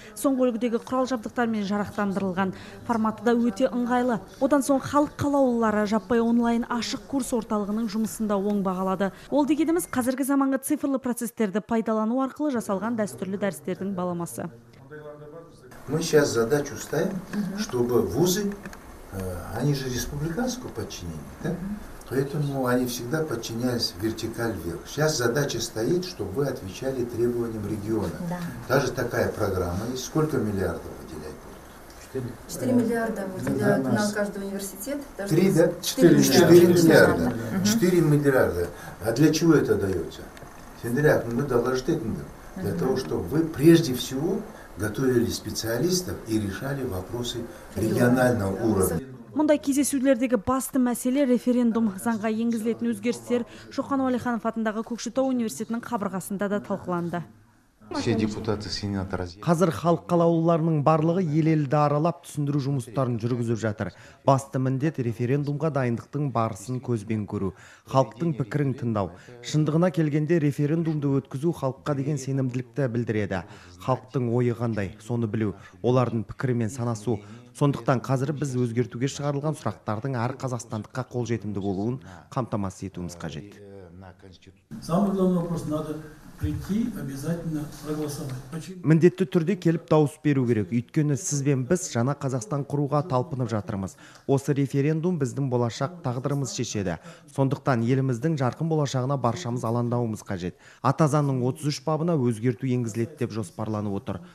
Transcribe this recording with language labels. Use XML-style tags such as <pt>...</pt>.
<kk>Соңғы үлгідегі құрал-жабдықтармен жарақтандырылған. Форматы да өте ыңғайлы. Одан соң халық қалаулылары жаппай онлайн ашық курс орталығының жұмысында оң бағалады. Ол дегеніміз қазіргі заманғы цифрлы процестерді пайдалану арқылы жасалған дәстүрлі дәрістердің баламасы.</kk> <ru>Мы сейчас задачу ставим, чтобы вузы, они же республиканского подчинения, да? Поэтому они всегда подчинялись вертикаль вверх. Сейчас задача стоит, чтобы вы отвечали требованиям региона. Да. Даже такая программа, и сколько миллиардов выделяет? 4 миллиарда выделяют на каждый университет. Три, да? 4 миллиарда. 4 миллиарда. А для чего это дается? Сендеряк, мы должны для того, чтобы вы прежде всего готовили специалистов и решали вопросы регионального уровня.</ru> <kk>Мұндай кездесудердегі басты мәселе референдум заңға енгізілетін өзгерістер Шоқан Уәлиханов атындағы Көкшетау университетінің қабырғасында да талқыланды. Қазір халық қалаулыларының барлығы елелді аралап түсіндіру жұмыстарын жүргізіп жатыр. Басты міндет референдумға дайындықтың барысын көзбен көру, халықтың пікірін тыңдау. Шындығына келгенде референдумды өткізу халыққа деген сенімділікті білдіреді. Халықтың ойы қандай, соны білу, олардың пікірімен санасу. Сондықтан қазір біз өзгертуге шығарылған сұрақтардың әр қазақстандыққа қолжетімді болуын қамтамасыз етуіміз қажет.</kk> <ru>Самый главный вопрос надо прийти обязательно проголосовать. Почему?</ru> <kk>Міндетті түрде келіп дауыс беру керек. Өйткені сіз бен біз жаңа Қазақстан құруға талпынып жатырмыз. Осы референдум біздің болашақ тағдырымыз шешеді. Сондықтан еліміздің жарқын болашағына баршамыз алаңдауымыз қажет. Атазаның 33 бабына өзгерту енгізіледі деп жоспарланып отыр.</kk>